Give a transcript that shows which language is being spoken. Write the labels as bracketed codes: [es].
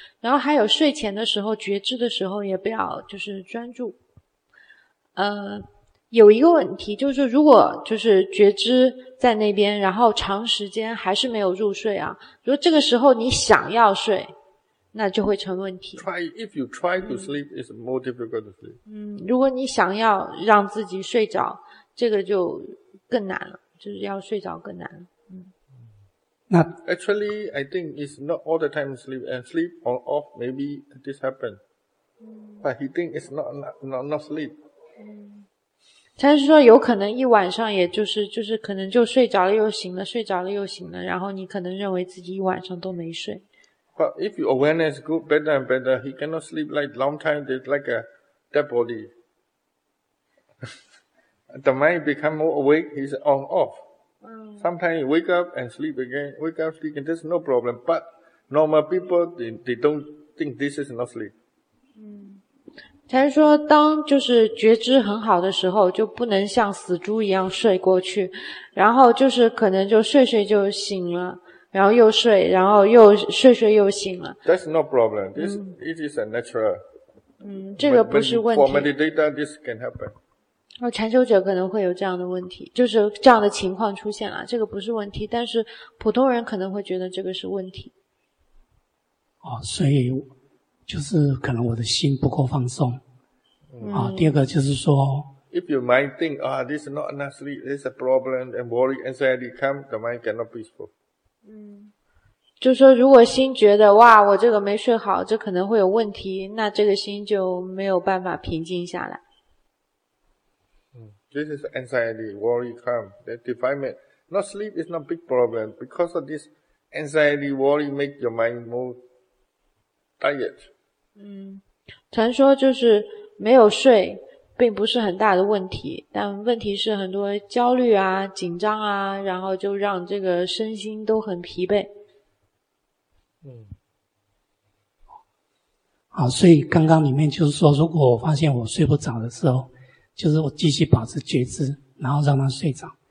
[zh] 然后还有睡前的时候觉知的时候也不要就是专注。有一个问题，就是如果就是觉知在那边，然后长时间还是没有入睡啊，如果这个时候你想要睡，那就会成问题。 [en] If you try to sleep, it's more difficult to sleep. [zh] 如果你想要让自己睡着，这个就更难了，就是要睡着更难了。 [en] Actually, I think it's not all the time sleep and sleep on off, maybe this happened. But he think it's not sleep. [zh] 但是说有可能一晚上也就是可能就睡着了又醒了，睡着了又醒了，然后你可能认为自己一晚上都没睡。 [en] But if your awareness go better and better, he cannot sleep like long time, it's like a dead body. The mind become more awake, he's on off. Sometimes you wake up and sleep again, wake up, sleep again, there's no problem. But normal people, they don't think this is not sleep. [zh] 才是说当就是觉知很好的时候就不能像死猪一样睡过去，然后就是可能就睡睡就醒了，然后又睡，然后又睡睡又醒了。 [en] That's no problem. This, it is a natural. [zh] 这个不是问题。 [en] For meditator, this can happen. [zh] 禅修者可能会有这样的问题，就是这样的情况出现了，这个不是问题，但是普通人可能会觉得这个是问题。哦，所以就是可能我的心不够放松。第二个就是说 [en] If your mind think, this is not enough sleep, this is a problem, and worry, anxiety come, the mind cannot peaceful. [zh] 就说如果心觉得哇我这个没睡好这可能会有问题，那这个心就没有办法平静下来。 [en] This is anxiety, worry come, that defilement, Not sleep is not a big problem. Because of this anxiety, worry, make your mind more tired. [zh] 禅说就是没有睡并不是很大的问题，但问题是很多焦虑啊、紧张啊，然后就让这个身心都很疲惫。好，所以刚刚里面就是说，如果我发现我睡不着的时候，就是我继续保持觉知，然后让他睡着。